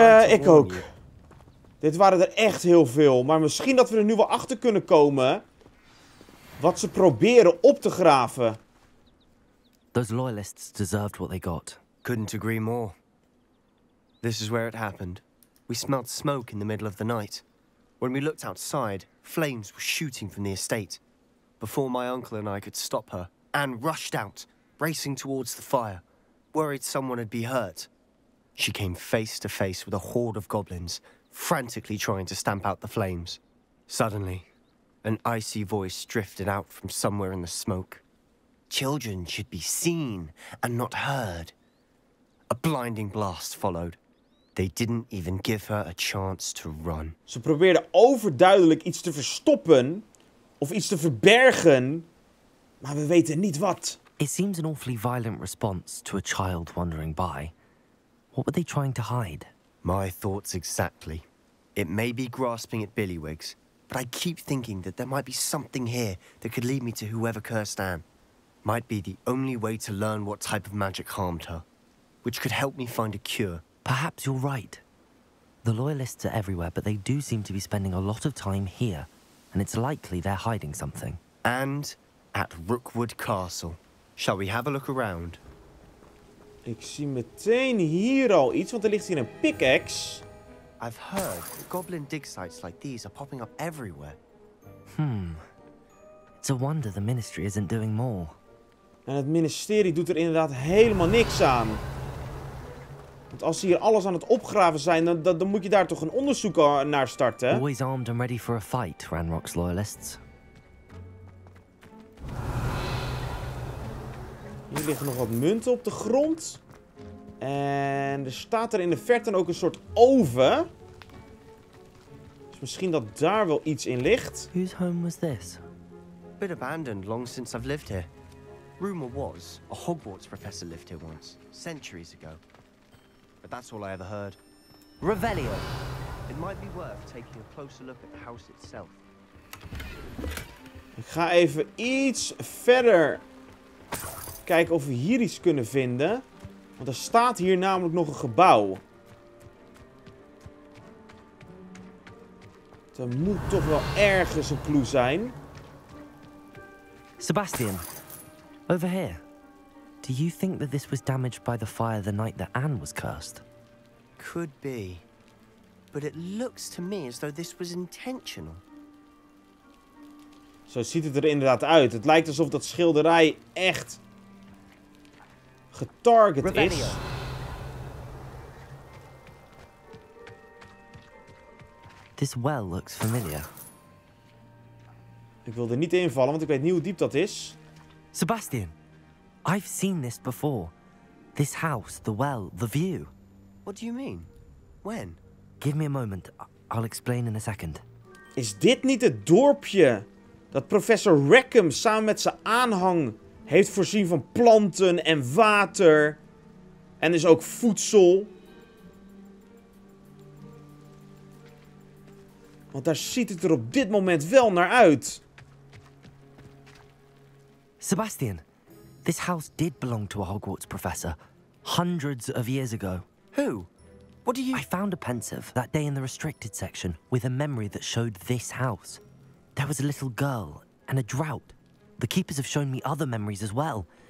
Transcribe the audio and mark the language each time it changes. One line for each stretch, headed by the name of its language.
Dutch: Ik ook. Dit waren er echt heel veel. Maar misschien dat we er nu wel achter kunnen komen. Wat ze proberen op te graven.
English: Those loyalists deserved what they got. Couldn't agree more. This is where it happened. We smelled smoke in the middle of the night. When we looked outside, flames were shooting from the estate. Before my uncle and I could stop her, Anne rushed out, racing towards the fire, worried someone would be hurt. She came face to face with a horde of goblins, frantically trying to stamp out the flames. Suddenly, an icy voice drifted out from somewhere in the smoke. Children should be seen and not heard. A blinding blast followed. They didn't even give her a chance to run.
Dutch: Ze probeerden overduidelijk iets te verstoppen of iets te verbergen, maar we weten niet wat.
English: It seems an awfully violent response to a child wandering by. What were they trying to hide? My thoughts exactly. It may be grasping at billywigs, but I keep thinking that there might be something here that could lead me to whoever cursed Anne. Might be the only way to learn what type of magic harmed her, which could help me find a cure. Perhaps you're right. The loyalists are everywhere, but they do seem to be spending a lot of time here. And it's likely they're hiding something. And at Rookwood Castle. Shall we have a look around?
Dutch: Ik zie meteen hier al iets, want er ligt hier een pickaxe.
English: I've heard that goblin dig sites like these are popping up everywhere. It's a wonder the ministry isn't doing more.
Dutch: En het ministerie doet er inderdaad helemaal niks aan. Want als ze hier alles aan het opgraven zijn, dan moet je daar toch een onderzoek naar starten.
English: Always armed and ready for a fight, Ranrock's loyalists.
Dutch: Hier liggen nog wat munten op de grond. En er staat er in de verte ook een soort oven. Dus misschien dat daar wel iets in ligt.
English: Whose home was this? A bit abandoned long since I've lived here. Rumor was, a Hogwarts professor lived here once, centuries ago. But that's all I ever heard. Revelio. It might be worth taking a closer look at the house itself.
Dutch: Ik ga even iets verder kijken of we hier iets kunnen vinden. Want er staat hier namelijk nog een gebouw. Er moet toch wel ergens een clue zijn.
English: Sebastian, over here. Do you think that this was damaged by the fire the night that Anne was cursed? Could be. But it looks to me as though this was intentional.
Dutch: Zo ziet het er inderdaad uit. Het lijkt alsof dat schilderij echt getarget is.
English: This well looks familiar.
Dutch: Ik wil er niet invallen, want ik weet niet hoe diep dat is.
English: Sebastian, I've seen this before. This house, the well, the view. What do you mean? When? Give me a moment. I'll explain in a second.
Dutch: Is dit niet het dorpje dat professor Rackham samen met zijn aanhang heeft voorzien van planten en water? En dus ook voedsel? Want daar ziet het er op dit moment wel naar uit.
English: Sebastian, this house did belong to a Hogwarts professor hundreds of years ago. Who? What do you... I found a pensive that day in the restricted section with a memory that showed this house. There was a little girl and a drought. The keepers have shown me other memories as well.